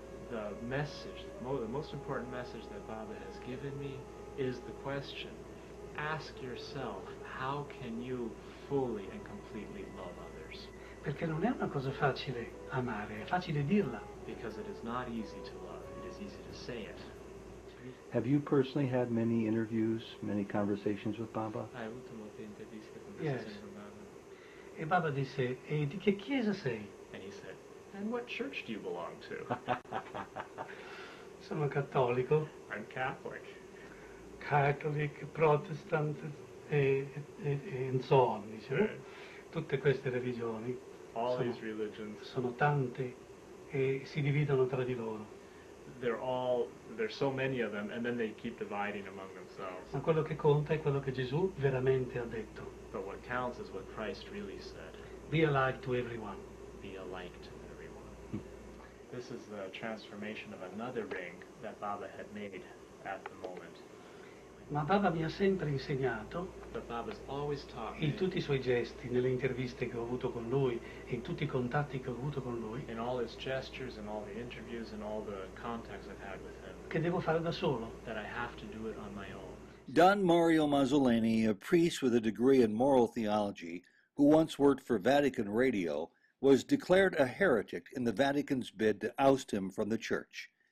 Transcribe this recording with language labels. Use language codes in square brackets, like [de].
[en] The message, the most important message that Baba has given me is the question, ask yourself, how can you fully and completely love others? [it] Perché non è una cosa facile amare, è facile dirla. [en] Because it is not easy to love, it is easy to say it. Have you personally had many interviews, many conversations with Baba? [it] Hai avuto molte interviste, conversazioni con Baba. E Baba disse, e di che chiesa sei? [en] And he said, and what church do you belong to? [it] Sono cattolico. [en] I'm Catholic. Catholic, Protestant, and so on, dice. Right. [it] Tutte queste religioni. [en] All sono, these religions. [it] Sono tante e si dividono tra di loro. [en] There's so many of them, and then they keep dividing among themselves. [it] Ma quello che conta è quello che Gesù veramente ha detto. [en] But what counts is what Christ really said. Be alike to everyone. Be alike to everyone. This is the transformation of another ring that Baba had made at the moment. [it] Ma Baba mi ha sempre insegnato. [en] But Baba's always taught me. [it] In tutti i suoi gesti, nelle interviste che ho avuto con lui, in tutti i contatti che ho avuto con lui. [en] In all his gestures, in all the interviews, in all the contacts I've had with him. [it] Che devo fare da solo. [en] That I have to do it on my own. Don Mario Mazzoleni, a priest with a degree in moral theology, who once worked for Vatican Radio, was declared a heretic in the Vatican's bid to oust him from the church.